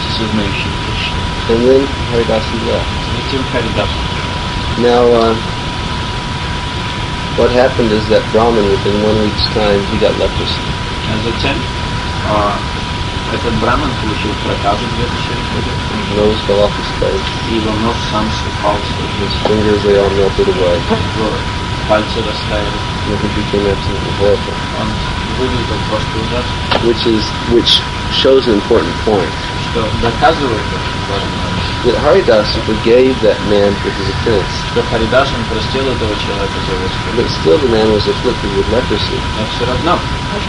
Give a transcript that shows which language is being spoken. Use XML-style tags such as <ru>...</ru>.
<en>And then Haridasa left. Now, what happened is that Brahman, within 1 week's time, he got leprosy. And then,</en> <ru>этот браман получил проказу где-то через год.</ru> <en>Nose fell off his face.</en> <ru>И его нос сам упал с руки.</ru> <en>His fingers, they all melted away.</en> <ru>Его пальцы растаяли.</ru> <en>And he became absolutely horrible.</en> <ru>Он выглядел просто ужасно.</ru> <en>Which shows an important point.</en> <ru>Что доказывает этот браман.</ru> <en>That Haridas forgave that man for his offense. But still the man was afflicted with leprosy.</en>